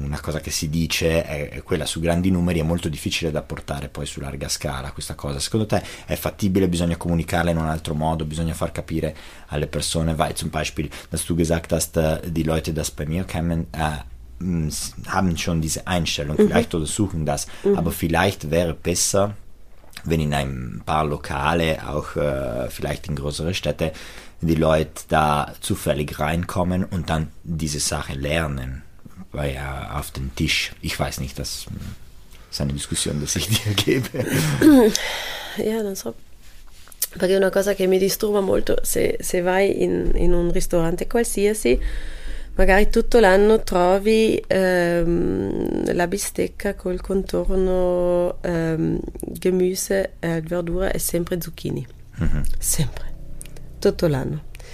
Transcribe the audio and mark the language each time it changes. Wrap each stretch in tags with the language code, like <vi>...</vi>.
<it>cosa che si dice è quella su grandi numeri, è molto difficile da portare poi su larga scala questa cosa. Secondo te è fattibile? Bisogna comunicarla in un altro modo? Bisogna far capire alle persone, vai</it> <de>zum Beispiel, dass du gesagt hast, die Leute das bei mir kennen, haben schon diese Einstellung, vielleicht oder suchen das, aber vielleicht wäre besser, wenn in ein paar Lokale, auch vielleicht in größere Städte, die Leute da zufällig reinkommen und dann diese Sache lernen, weil ja auf den Tisch, ich weiß nicht, das ist eine Diskussion, die ich dir gebe.</de> <it>Ja, non so. Perché una cosa che mi disturba molto, se vai in un ristorante qualsiasi, magari tutto l'anno trovi la bistecca col contorno Gemüse, verdura e sempre zucchini. Mm-hmm. Sempre. Tutto l'anno.</it>